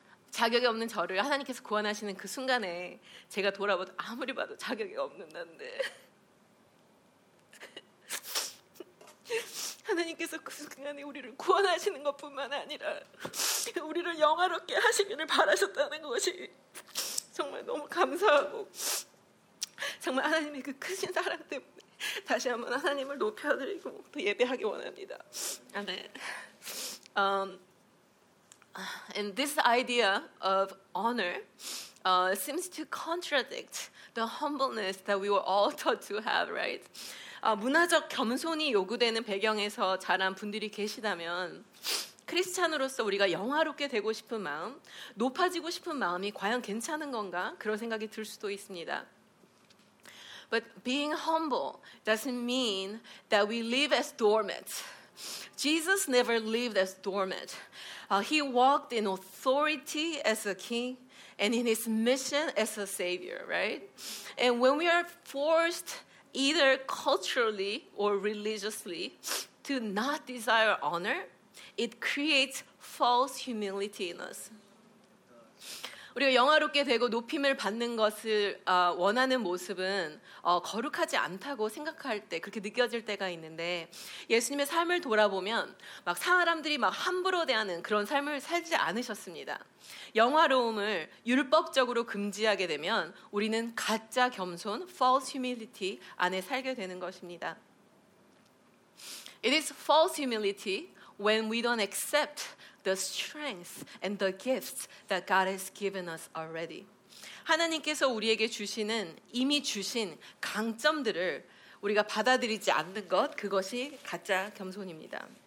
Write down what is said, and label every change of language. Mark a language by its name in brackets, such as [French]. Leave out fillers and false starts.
[Korean] 자격이 없는 저를 하나님께서 구원하시는 그 순간에 제가 돌아보도 아무리 봐도 자격이 없는 난데 하나님께서 그 순간에 우리를 구원하시는 것뿐만 아니라 우리를 영화롭게 하시기를 바라셨다는 것이 정말 너무 감사하고 정말 하나님의 그 크신 사랑 때문에 다시 한번 하나님을 높여드리고 또 예배하기 원합니다. 아멘. [English] And this idea of honor seems to contradict the humbleness that we were all taught to have, right? [Korean] 문화적 겸손이 요구되는 배경에서 자란 분들이 계시다면 크리스찬으로서 우리가 영화롭게 되고 싶은 마음, 높아지고 싶은 마음이 과연 괜찮은 건가? 그런 생각이 들 수도 있습니다. [English] But being humble doesn't mean that we live as doormats. Jesus never lived as doormat. He walked in authority as a king and in his mission as a savior, right? And when we are forced either culturally or religiously to not desire honor, it creates false humility in us. [Korean] 우리가 영화롭게 되고 높임을 받는 것을 원하는 모습은 거룩하지 않다고 생각할 때 그렇게 느껴질 때가 있는데 예수님의 삶을 돌아보면 막 사람들이 막 함부로 대하는 그런 삶을 살지 않으셨습니다. 영화로움을 율법적으로 금지하게 되면 우리는 가짜 겸손, [English] false humility [Korean] 안에 살게 되는 것입니다. [English] It is false humility when we don't accept the strength and the gifts that God has given us already. [Korean] 하나님께서 우리에게 주시는 이미 주신 강점들을 우리가 받아들이지 않는 것 그것이 가짜 겸손입니다.